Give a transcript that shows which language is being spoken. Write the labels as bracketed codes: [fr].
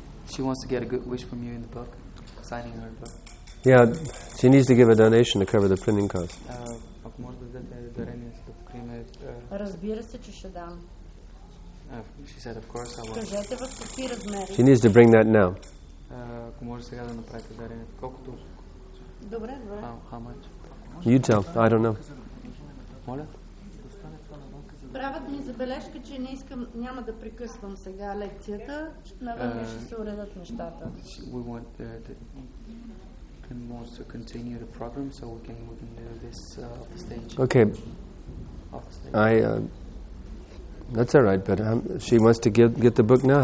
[en] She wants to get a good wish from you in the book, signing her book. Yeah, she needs to give a donation to cover the printing cost. [bg] Ако може да дадете дарение, за да покриме. Разбира се, че ще дам. [en] She said, of course I will. [bg] Кажете в какви размери. [en] She needs to bring that now. [bg] Ако може сега да направите дарение, колкото. Добре, добре. [en] How much? You tell. I don't know. [bg] Моля. Правят ми забележка, че не искам, няма да прекъсвам сега лекцията, навън ще се уредят нещата. [en] We want can more to continue the program so we can move into this stage. Okay. I that's all right, but she wants to get the book now.